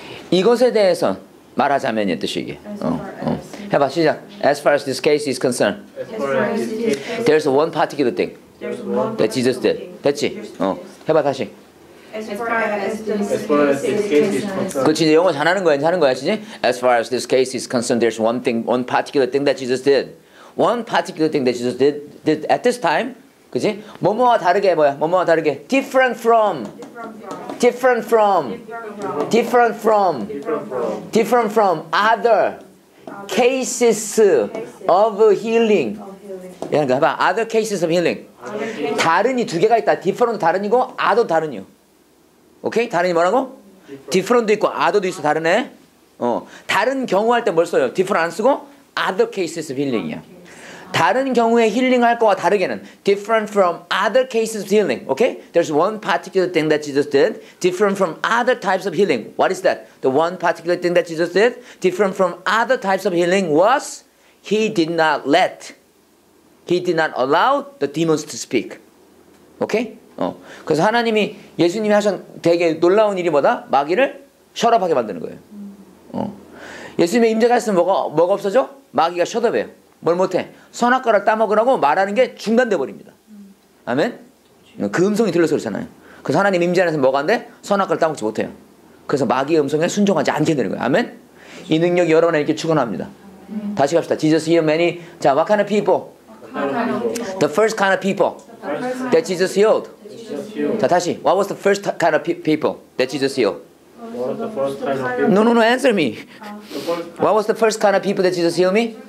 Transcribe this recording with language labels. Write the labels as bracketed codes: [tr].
[ko] 이것에 대해서 말하자면 이 뜻이 이게. 해봐. 시작. [en] As far as this case is concerned. As far as. There's one particular thing. That Jesus did. [ko] 됐지? 해봐 다시. [en] As far as this case is concerned. [ko] 그치, 이제 영어 잘하는 거야, 잘하는 거야, 아시지? [en] As far as this case is concerned, there's one thing, one particular thing that Jesus did. One particular thing that Jesus did at this time. [ko] 그치? 뭐뭐와 다르게 뭐야? 뭐뭐와 다르게? [en] Different from. Different from. Different from. Different from. Different from other cases of healing. [ko] 얘는 봐봐. [en] Other cases of healing. [ko] 다른이 두 개가 있다. Different 다른이고 other 다른이요. 오케이? 다른이 뭐라고? Different도 있고 other도 있어. 다른애. 다른 경우 할 때 뭘 써요? Different 안 쓰고 other cases of healing이야. 다른 경우에 healing 할 거와 다르게는 [en] different from other cases of healing. [ko] 오케이? [en] There's one particular thing that Jesus did different from other types of healing. What is that? The one particular thing that Jesus did different from other types of healing was he did not let. He did not allow the demons to speak. Okay? [ko] 그래서 하나님이 예수님이 하신 되게 놀라운 일이 뭐다? 마귀를 셧업하게 만드는 거예요. 예수님의 임재가 있으면 뭐가 없어져? 마귀가 셧업해요. 뭘 못해? 선악과를 따먹으라고 말하는 게 중단돼 버립니다. 아멘? 그 음성이 들려서 그렇잖아요. 그래서 하나님 임재 안에서 뭐가 안 돼? 선악과를 따먹지 못해요. 그래서 마귀의 음성에 순종하지 않게 되는 거예요. 아멘? 이 능력이 여러분에게 축원합니다. 다시 갑시다. [en] Jesus healed many. 자, what kind of people? The first kind of people that Jesus healed. [ko] 자 다시. [en] What was the first kind of people that Jesus healed? No, no, no. Answer me. What was the first kind of people that Jesus healed me?